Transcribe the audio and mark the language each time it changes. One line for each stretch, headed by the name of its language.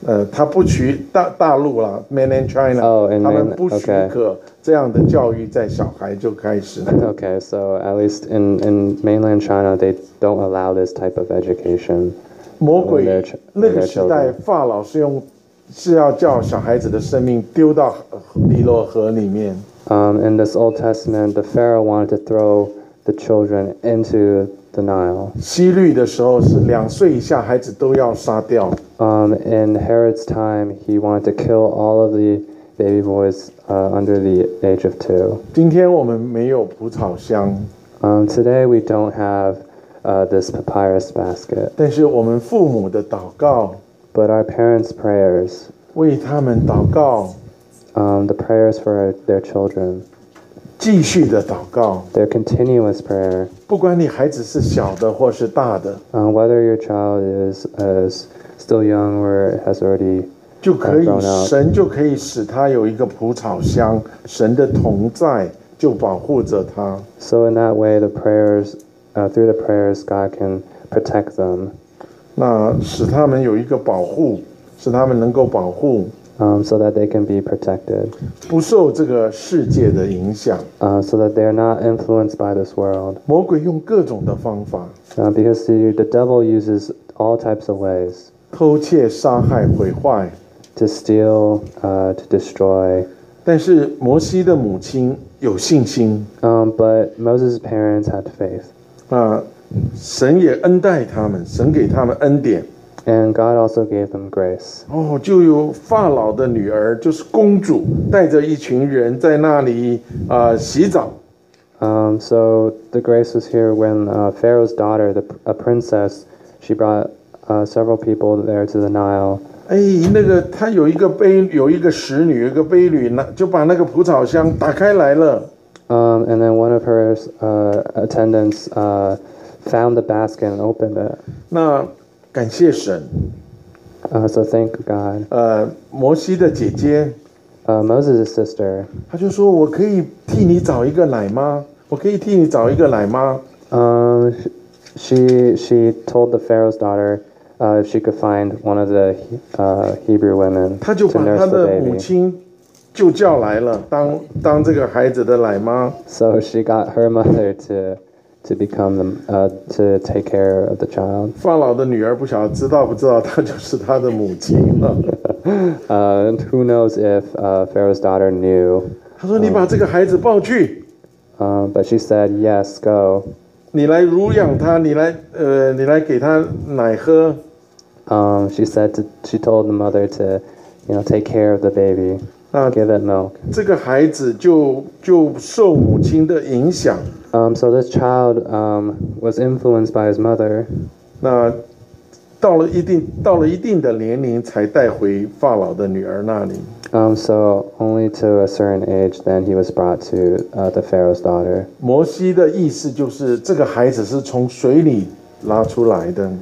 Chinese: 他不许大陆啦 ，
English: mainland China，、 oh, in
Chinese: mainland, 他们不许可这样的教育在小孩就开始。
English: Okay, so at least in mainland China, they don't allow this type of education.
Chinese: 魔鬼那个时代，法老是用是要叫小孩子的生命丢到尼罗河里面。
English: In this Old Testament, the Pharaoh wanted to throw the children into the Nile.
Chinese: 西律的时候是两岁以下孩子都要杀掉。
English: In Herod's time, he wanted to kill all of the baby boys under the age of two.
Chinese: 今天我们没有蒲草箱。
English: Today we don't have this papyrus basket.
Chinese: 但是我们父母的祷告。
English: But our parents' prayers.
Chinese: 为他们祷告。
English: The prayers for their children.
Chinese: 继续的祷告。
English: Their continuous prayer.
Chinese: 不管你孩子是小的或是大的。
English: Whether your child is still young or has already grown up.
Chinese: 就可以神就可以使他有一个蒲草箱，神的同在就保护着他。
English: So in that way, the prayers, through the prayers, God can protect them.
Chinese: 那使他们有一个保护，使他们能够保护。
English: So that they can be protected.
Chinese: 不受这个世界的影响。
English: So that they are not influenced by this world.
Chinese: 魔鬼用各种的方法。
English: Because the devil uses all types of ways.
Chinese: 偷窃、杀害、毁坏。
English: To steal, to destroy.
Chinese: 但是摩西的母亲有信心。
English: But Moses' parents had faith.
Chinese: 神也恩待他们，神给他们恩典。
English: And God also gave them grace.
Chinese: 就有法老的女儿，就是公主，带着一群人在那里洗澡。
English: So the grace was here when Pharaoh's daughter, a princess, she brought several people there to the Nile.
Chinese: 那个她有一个婢女，有一个使女，一个婢女，就把那个蒲草箱打开来了。
English: And then one of her attendants found the basket and opened it.
Chinese: 那感谢神。
English: So thank God.
Chinese: 摩西的姐姐。
English: Moses' sister.
Chinese: 她就说：“我可以替你找一个奶妈。我可以替你找一个奶妈。”
English: She told the Pharaoh's daughter, if she could find one of the Hebrew women to nurse the baby.
Chinese: 她就把她的母亲就叫来了，当这个孩子的奶妈。
English: So she got her mother to become them, to take care of the child.
Chinese: 法老的女儿不晓得知道不知道，她就是她的母亲了。
English: And who knows if Pharaoh's daughter knew?
Chinese: 她说：“你把这个孩子抱去。”
English: But she said, "Yes, go."
Chinese: 你来乳养他，你来给他奶喝。
English: She said to, she told the mother to, you know, take care of the baby. Give it milk.
Chinese: 这个孩子就受母亲的影响。
English: So this child was influenced by his mother.
Chinese: 那到了一定的年龄才带回法老的女儿那里。
English: So only to a certain age, then he was brought to the Pharaoh's daughter.
Chinese: 摩西的意思就是这个孩子是从水里拉出来的。